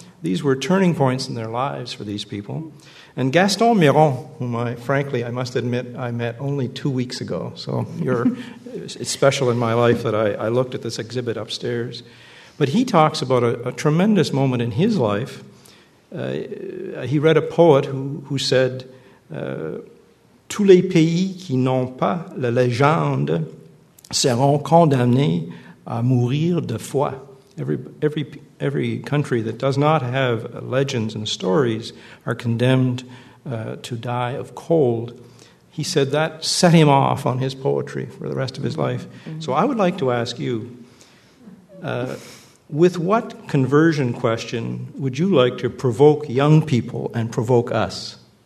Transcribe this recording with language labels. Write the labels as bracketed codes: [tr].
[en] These were turning points in their lives for these people. And Gaston Miron, whom I must admit, I met only 2 weeks ago, so it's special in my life that I looked at this exhibit upstairs. But he talks about a tremendous moment in his life. He read a poet who said, [fr] tous les pays qui n'ont pas la légende seront condamnés à mourir de foi. [en] Every country that does not have legends and stories are condemned to die of cold. He said that set him off on his poetry for the rest of his life. Mm-hmm. So I would like to ask you, with what conversion question would you like to provoke young people and provoke us?